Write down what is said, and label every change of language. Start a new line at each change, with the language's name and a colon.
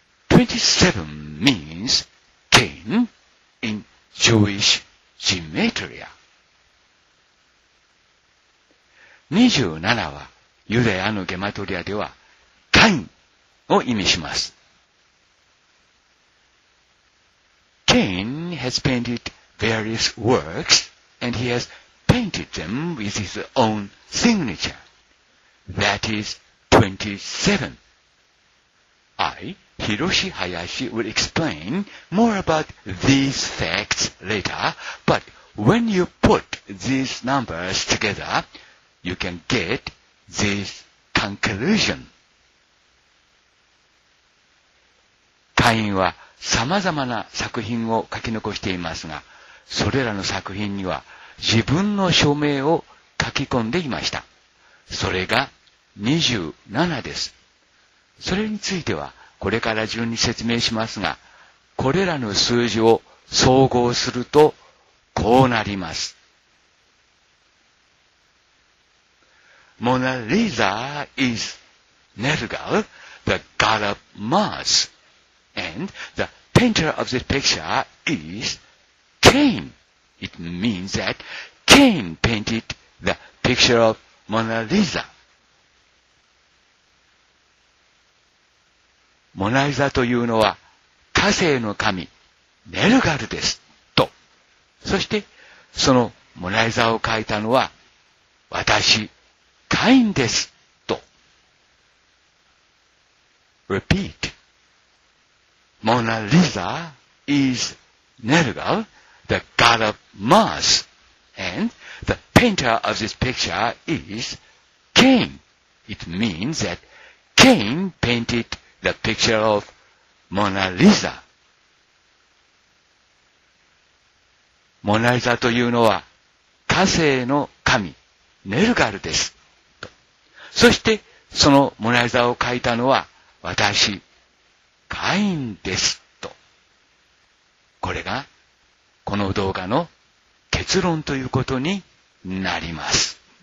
English: 27 means 10 in Jewish Gematria。
Japanese: 27はユダヤのゲマトリアではカインを意味します。
English: Cain has painted various works and he has painted them with his own signature. That is 27. I, Hiroshi Hayashi, will explain more about these facts later, but when you put these numbers together, you can get this conclusion.
Japanese: Cain は様々な作品を書き残していますが、それらの作品には自分の署名を書き込んでいました。それが27です。それについてはこれから順に説明しますが、これらの数字を総合するとこうなります。
English: モナリザ is Nergal, the god of Mars, and thePainter of this picture is Cain. It means that Cain painted the picture of Mona Lisa.
Japanese: モナリザというのは火星の神ネルガルですと。そしてそのモナリザを描いたのは私カインですと。
English: Repeat. Mona Lisa is Nergal, the god of Mars, and the painter of this picture is Cain. It means that Cain painted the picture of Mona Lisa.
Japanese: モナリザというのは火星の神ネルガルですと。そしてそのモナリザを描いたのは私カインですと。これがこの動画の結論ということになります。